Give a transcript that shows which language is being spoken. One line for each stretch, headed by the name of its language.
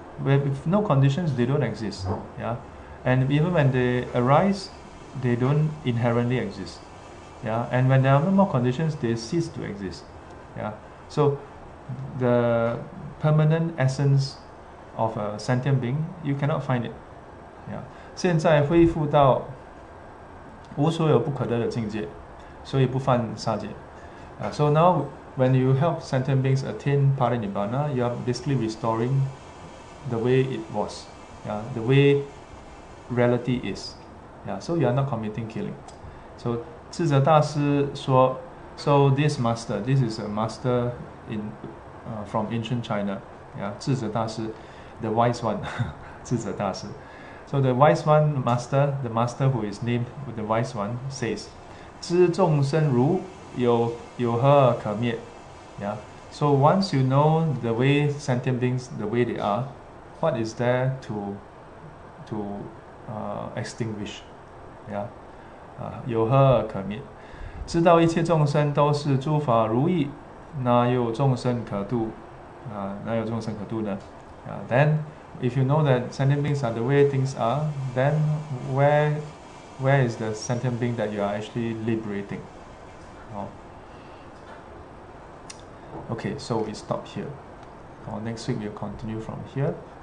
English: With no conditions, they don't exist. Yeah, and even when they arise, they don't inherently exist. Yeah, and when there are no more conditions, they cease to exist. Yeah, so the permanent essence of a sentient being, you cannot find it.
Chinese: Yeah, 现在恢复到无所有不可得的境界，所以不犯杀戒.
English: So now, when you help sentient beings attain parinibbana, you are basically restoring the way it was, yeah, the way reality is. Yeah, so you are not committing killing. So 智者大师说, so this master, this is a master in from ancient China, yeah, 智者大师, the wise one, 智者大师. So the wise one master, the master who is named with the wise one, says,
Chinese: 知众生如有何可灭,
English: yeah. So once you know the way sentient beings, the way they are, what is there to extinguish?
Chinese: Yeah, 有何可灭? 知道一切众生都是诸法如意, 哪有众生可度呢?
English: Then, if you know that sentient beings are the way things are, then where is the sentient being that you are actually liberating? Oh. Okay, so we stop here. Oh, next week we'll continue from here.